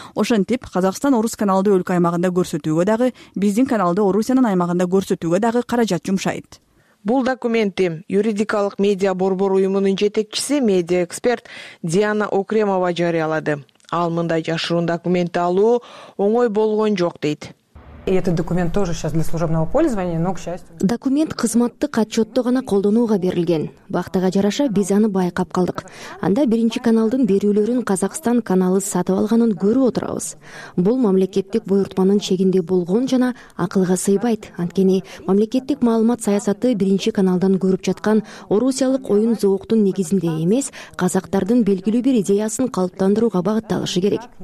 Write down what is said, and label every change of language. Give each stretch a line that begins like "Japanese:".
Kyrgyz: Ошентип, Казакстан орус каналды өлкө аймагында көрсөтүүгө дагы, биздин каналды Орусиянын аймагында көрсөтүүгө дагы каражат жумшайт. Бул документти юридикалык медиа борбор уюмунун жетекчиси, медиа эксперт Диана Окремова жарыялады. Ал мындай жашыруун документти алуу оңой болгон жок дейт.
Russian: И этот документ тоже сейчас для служебного пользования, но к счастью.
Kyrgyz: Документ кызматтык отчётту гана колдонууга берилген. Бактыга жараша биз аны байкап калдык. Анда биринчи каналдын берүүлөрүн Казакстан каналы сатып алганын көрүп отурабыз. Бул мамлекеттик буйрутманын чегинде болгон жана акылга сыйбайт. Анткени мамлекеттик маалымат саясаты биринчи каналдан көрүп жаткан орусиялык оюн зооктун негизинде эмес, казактардын белгилүү бир идеясын калыптандырууга багытталышы керек.